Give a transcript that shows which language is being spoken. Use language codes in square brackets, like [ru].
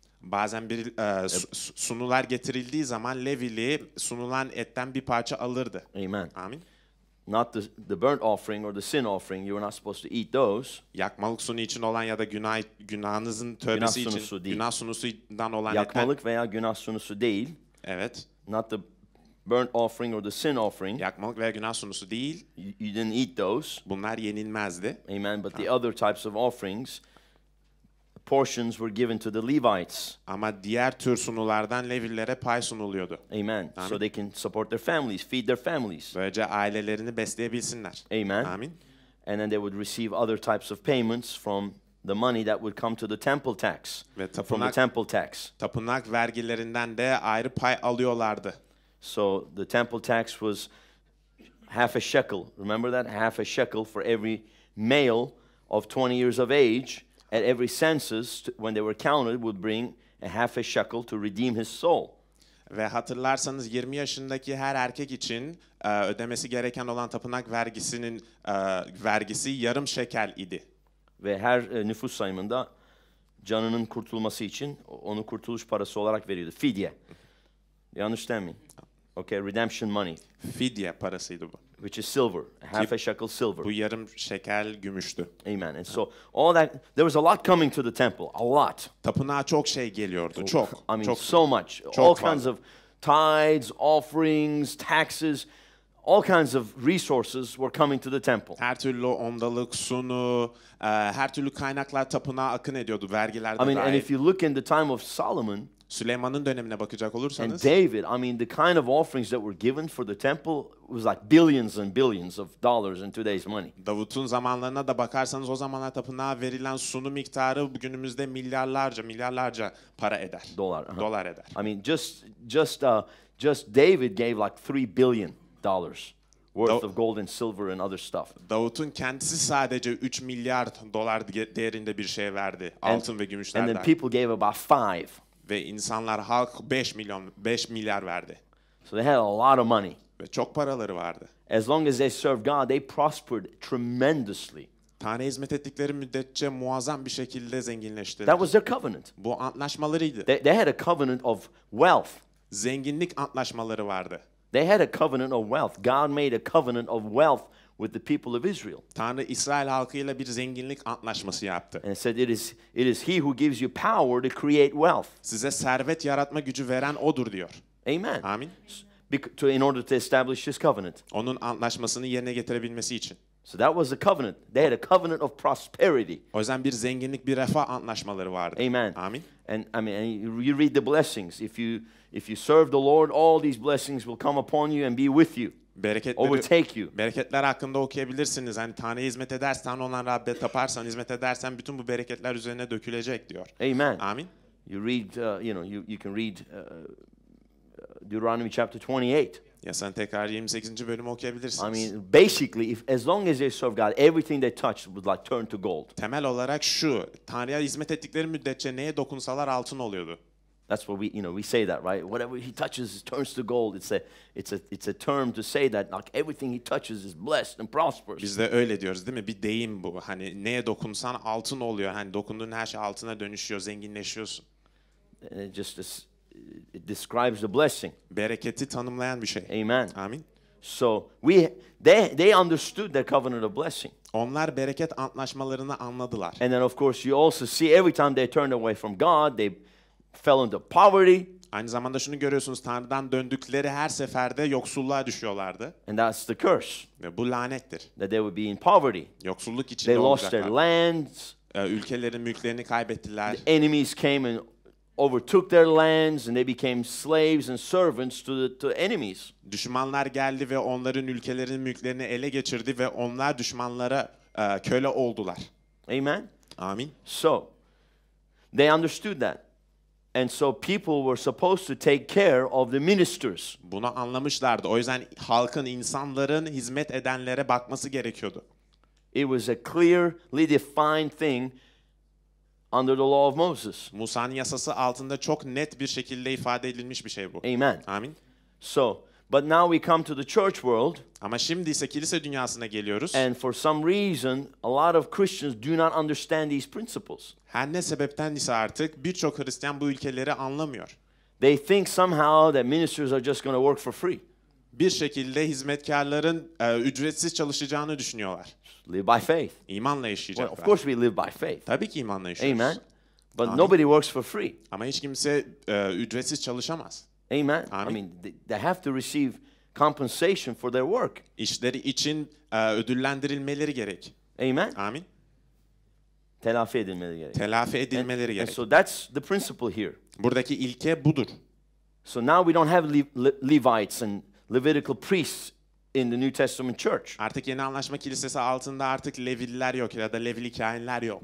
[tr] Bazen bir sunular getirildiği zaman Levili sunulan etten bir parça alırdı. [en] Amen. [tr] Amin. [en] Not the burnt offering or the sin offering. You were not supposed to eat those. [tr] Yakmalık sunu için olan ya da günahınızın tövbesi için değil. Günah sunusundan olan yakmalık eten veya günah sunusu değil. Evet. [en] Not the burnt offering or the sin offering. [tr] Yakmalık veya günah sunusu değil. [en] You didn't eat those. [tr] Bunlar yenilmezdi. [en] Amen. But the other types of offerings, portions were given to the Levites. [tr] Ama diğer tür sunulardan Levilere pay sunuluyordu. [en] Amen. Amen. So they can support their families, feed their families. [tr] Böylece ailelerini besleyebilsinler. [en] Amen. [tr] Amin. [en] And then they would receive other types of payments from the money that would come to the temple tax. [tr] Ve tapınak vergilerinden de ayrı pay alıyorlardı. [en] So the temple tax was half a shekel. Remember that? Half a shekel for every male of 20 years of age. At every census, when they were counted, would bring a half a shekel to redeem his soul. [tr] Ve hatırlarsanız 20 yaşındaki her erkek için ödemesi gereken olan tapınak vergisinin vergisi yarım şekel idi. Ve her nüfus sayımında canının kurtulması için onu kurtuluş parası olarak veriyordu. Fidye. [en] You understand me? Okay, redemption money. [tr] Fidye parasıydı bu. [en] Which is silver, half a shekel silver. [tr] Bu yarım şekel gümüştü. [en] Amen. And so all that, there was a lot coming to the temple, a lot. [tr] Tapınağa çok şey geliyordu, çok. [en] I mean, [tr] çok, [en] so much. [tr] Çok [en] all kinds of tithes, offerings, taxes, all kinds of resources were coming to the temple. [tr] Her türlü ondalık, sunu, her türlü kaynaklar tapınağa akın ediyordu, vergilerde dair. [en] I mean, and if you look in the time of Solomon, [tr] Süleyman'ın dönemine bakacak olursanız, [en] and David, I mean, the kind of offerings that were given for the temple was like billions and billions of dollars in today's money. [tr] Davut'un zamanlarına da bakarsanız, o zamanlar tapınağa verilen sunu miktarı bugünümüzde milyarlarca para eder. Dolar. Uh-huh. Dolar eder. [en] I mean, just David gave like $3 billion worth of gold and silver and other stuff. [tr] Davut'un kendisi sadece 3 milyar dolar değerinde bir şey verdi, altın ve gümüşlerden. [en] And then people gave about 5. [tr] Ve insanlar halk 5 milyar verdi. [en] So they had a lot of money. [tr] Ve çok paraları vardı. [en] As long as they served God, they prospered tremendously. [tr] Tanrı'ya hizmet ettikleri müddetçe muazzam bir şekilde zenginleştiler. [en] That was their covenant. [tr] Bu antlaşmalarıydı. [en] They had a covenant of wealth. Zenginlik antlaşmaları vardı. They had a covenant of wealth. God made a covenant of wealth with the people of Israel. [tr] Tanrı İsrail halkıyla bir zenginlik antlaşması yaptı. [en] And said it is he who gives you power to create wealth. [tr] Size servet yaratma gücü veren odur diyor. [en] Amen. [tr] Amin. [en] In order to establish his covenant. [tr] Onun antlaşmasını yerine getirebilmesi için. [en] So that was a covenant. They had a covenant of prosperity. [tr] O yüzden bir zenginlik, bir refah antlaşmaları vardı. [en] Amen. [tr] Amin. [en] And I mean, you read the blessings. If you serve the Lord, all these blessings will come upon you and be with you. overtake you. [tr] Bereketler hakkında okuyabilirsiniz. Hani Tanrı'ya hizmet edersen, olan Rabbe taparsan, hizmet edersen bütün bu bereketler üzerine dökülecek diyor. [en] Amen. [tr] Amin. [en] You read you can read Deuteronomy chapter 28. [tr] Ya sen tekrar 28. bölümü okuyabilirsiniz. [en] I mean, basically, as long as they serve God, everything they touch would like turn to gold. [tr] Temel olarak şu, Tanrı'ya hizmet ettikleri müddetçe neye dokunsalar altın oluyordu. [en] That's what we say that, right? Whatever he touches turns to gold. It's a term to say that like everything he touches is blessed and prosperous. [tr] Biz de öyle diyoruz değil mi? Bir deyim bu. Hani neye dokunsan altın oluyor. Hani dokunduğun her şey altına dönüşüyor, zenginleşiyorsun. [en] And it just it describes the blessing. [tr] Bereketi tanımlayan bir şey. [en] Amen. [tr] Amin. [en] So they understood their covenant of blessing. [tr] Onlar bereket antlaşmalarını anladılar. [en] And then of course you also see every time they turned away from God, they fell into poverty. [tr] Aynı zamanda şunu görüyorsunuz, Tanrı'dan döndükleri her seferde yoksulluğa düşüyorlardı. [en] And that's the curse. [tr] Ve bu lanettir. [en] That they would be in poverty. [tr] Yoksulluk içinde olacaklar. [en] Lost their lands. [tr] Ülkelerin mülklerini kaybettiler. [en] The enemies came and overtook their lands and they became slaves and servants to enemies. [tr] Düşmanlar geldi ve onların ülkelerin mülklerini ele geçirdi ve onlar düşmanlara köle oldular. [en] Amen. [tr] Amin. [en] So they understood that. And so people were supposed to take care of the ministers. [tr] Bunu anlamışlardı. O yüzden halkın, insanların hizmet edenlere bakması gerekiyordu. [en] It was a clearly defined thing under the law of Moses. [tr] Musa'nın yasası altında çok net bir şekilde ifade edilmiş bir şey bu. [en] Amen. [tr] Amin. [en] So, but now we come to the church world. [tr] Ama şimdi ise kilise dünyasına geliyoruz. [en] And for some reason, a lot of Christians do not understand these principles. [tr] Her ne sebepten ise artık birçok Hristiyan bu ülkeleri anlamıyor. [en] They think somehow that ministers are just going to work for free. [tr] Bir şekilde hizmetkarların ücretsiz çalışacağını düşünüyorlar. [en] Live by faith. [tr] İmanla yaşayacaklar. [en] Well, of course we live by faith. [tr] Tabii ki imanla yaşıyoruz. [en] Amen. But [tr] Amin. [en] Nobody works for free. [tr] Ama hiç kimse ücretsiz çalışamaz. [en] Amen. [tr] Amin. [en] I mean, they have to receive compensation for their work. [tr] İşleri için ödüllendirilmeleri gerek. [en] Amen. [tr] Amin. Telafi edilmeleri gerek. Telafi edilmeleri gerek. [en] And so that's the principle here. [tr] Buradaki ilke budur. [en] So now we don't have Levites and Levitical priests in the New Testament church. [tr] Artık yeni anlaşma kilisesi altında artık Leviler yok ya da Levili kahinler yok.